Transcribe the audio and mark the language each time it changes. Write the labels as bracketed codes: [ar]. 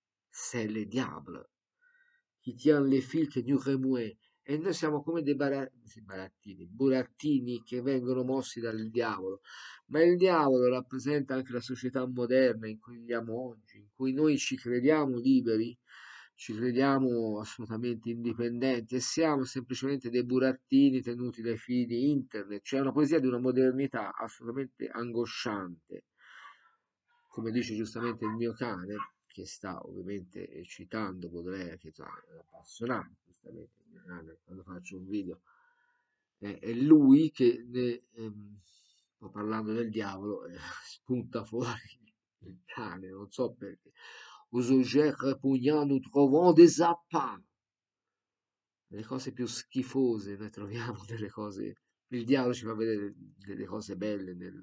[fr] C'est le diable, qui tient les fils que nous remuons. [it] E noi siamo come dei burattini che vengono mossi dal diavolo. Ma il diavolo rappresenta anche la società moderna in cui viviamo oggi, in cui noi ci crediamo liberi, ci crediamo assolutamente indipendenti e siamo semplicemente dei burattini tenuti dai fili di internet. C'è una poesia di una modernità assolutamente angosciante, come dice giustamente il mio cane, che sta ovviamente citando Baudelaire, che è appassionato, giustamente, quando faccio un video. È lui che, sto parlando del diavolo, spunta fuori il cane, non so perché. [fr] Aux objets répugnants, nous trouvons des appâts. [it] Le cose più schifose, noi troviamo delle cose. Il diavolo ci fa vedere delle cose belle.